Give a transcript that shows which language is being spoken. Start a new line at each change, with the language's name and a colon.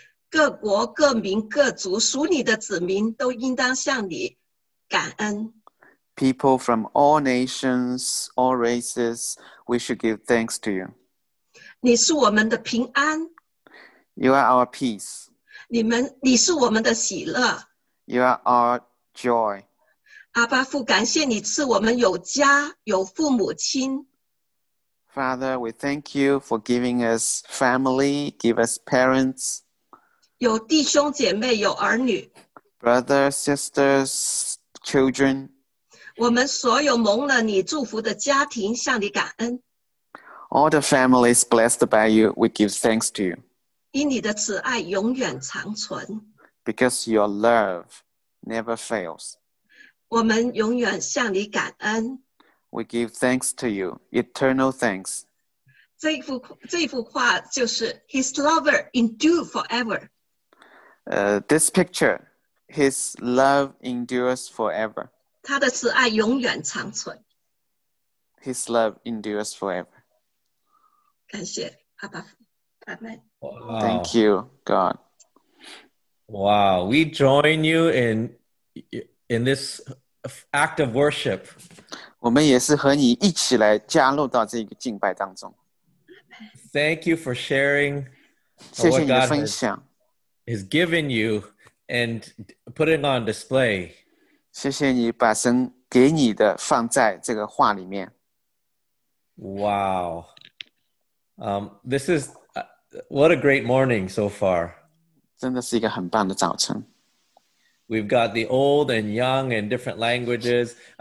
Chinese: 各国各民各族属你的子民都应当向你感恩。
English: People from all nations, all races, we should give thanks to you.
Chinese: 你是我们的平安。
English: You are our peace.
Chinese: 你是我们的喜乐。
English: You are our joy.
Chinese: 阿爸父，感谢你赐我们有家，有父母亲。
English: Father, we thank you for giving us family, give us parents.
Chinese: 有弟兄姐妹，有儿女。
English: Brothers, sisters, children.
Chinese: 我们所有蒙了你祝福的家庭向你感恩。
English: All the families blessed by you, we give thanks to you.
Chinese: 因你的慈爱永远长存。
English: Because your love never fails.
Chinese: 我们永远向你感恩。
English: We give thanks to you, eternal thanks.
Chinese: 这幅画就是
English: His lover endures forever. This picture, His love endures forever.
Chinese: 他的慈爱永远长存。
English: His love endures forever.
Chinese: 感谢阿爸父，阿门。
English: Wow. Thank you, God. Wow, we join you in this act of worship.
Chinese: 我们也是和你一起来加入到这个敬拜当中。
English: Thank you for sharing what God has given you and putting on display.
Chinese: 谢谢你把神给你的放在这个画里面。
English: Wow. This is what a great morning so far.
Chinese: 真的是一个很棒的早晨。
English: We've got the old and young and different languages.